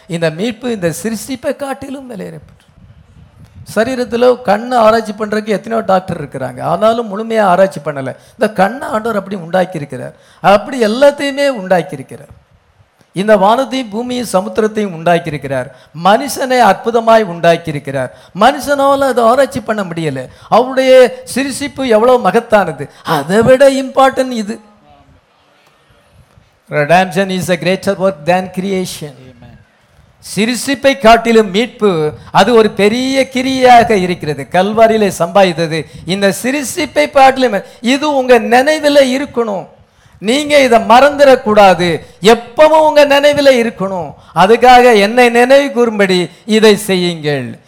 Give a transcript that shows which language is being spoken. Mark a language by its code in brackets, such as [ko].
[ta] இந்த மீட்பு இந்த சிருஷ்டிப்பை காட்டிலும் விலையேறப்பட்டு சரீரத்தில் கண்ணு ஆராய்ச்சி பண்ணுறதுக்கு எத்தனையோ டாக்டர் இருக்கிறாங்க, ஆனாலும் முழுமையாக ஆராய்ச்சி பண்ணலை. இந்த கண்ணை ஆண்டவர் அப்படி உண்டாக்கியிருக்கிறார், அப்படி எல்லாத்தையுமே உண்டாக்கியிருக்கிறார். இந்த வானத்தையும் பூமியும் சமுத்திரத்தையும் உண்டாக்கியிருக்கிறார். மனுஷனை அற்புதமாய் உண்டாக்கியிருக்கிறார். மனுஷனால் அதை ஆராய்ச்சி பண்ண முடியலை. அவருடைய சிருஷ்டிப்பு எவ்வளோ மகத்தானது, அதை விட இம்பார்ட்டன்ட் இது. [en] Redemption is a greater work than creation. [ta] சிருஷ்டிப்பை காட்டிலும் மீட்பு, அது ஒரு பெரிய கிரியையாக இருக்கிறது. கல்வாரியிலே சம்பாதித்தது இந்த சிருஷ்டிப்பை பாட்டிலும், இது உங்கள் நினைவில் இருக்கணும். நீங்கள் இதை மறந்துடக்கூடாது. எப்பவும் உங்கள் நினைவில் இருக்கணும். அதுக்காக என்னை நினைவு கூறும்படி இதை செய்யுங்கள்.